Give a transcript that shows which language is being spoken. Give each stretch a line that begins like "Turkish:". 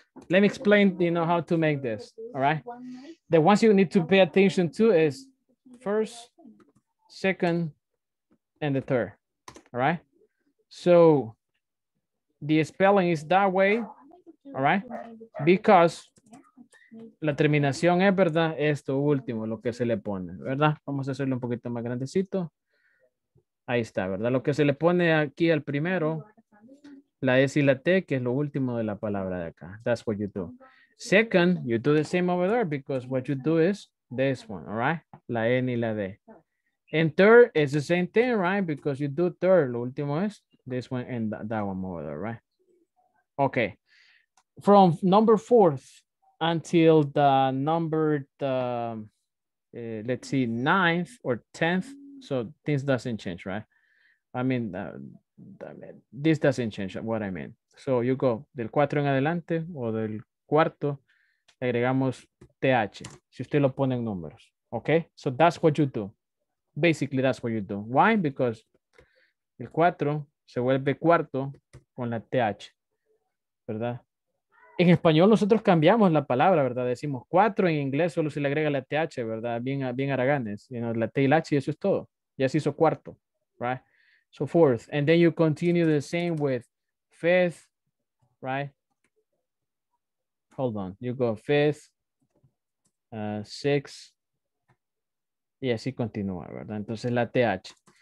English: Let me explain, you know, how to make this, all right? The ones you need to pay attention to is first, second, and the third, all right? So the spelling is that way, all right? Because
Spanish: la terminación es, ¿verdad? Esto último, lo que se le pone, ¿verdad? Vamos a hacerlo un poquito más grandecito. Ahí está, ¿verdad? Lo que se le pone aquí al primero, la S y la T, que es lo último de la palabra de acá.
English: That's what you do. Second, you do the same over there because what you do is this one, all right?
Spanish: La N y la D.
English: And third is the same thing, right? Because you do third,
Spanish: lo último es
English: this one and that one over there, right? Okay. From number fourth until the number, let's see, ninth or tenth. So things doesn't change, right? I mean, this doesn't change what I mean. So you go
Spanish: del cuatro en adelante o del cuarto, agregamos TH, si usted lo pone en números.
English: Okay, so that's what you do. Basically, that's what you do. Why? Because
Spanish: el 4 se vuelve cuarto con la TH, ¿verdad? En español nosotros cambiamos la palabra, ¿verdad? Decimos 4 en inglés solo se le agrega la TH, ¿verdad? Bien haraganes,
English: you know,
Spanish: la T y la H y eso es todo. Ya se hizo cuarto, right?
English: So fourth, and then you continue the same with fifth, right? Hold on, you go fifth, sixth,
Spanish: y así continúa, ¿verdad? Entonces la TH.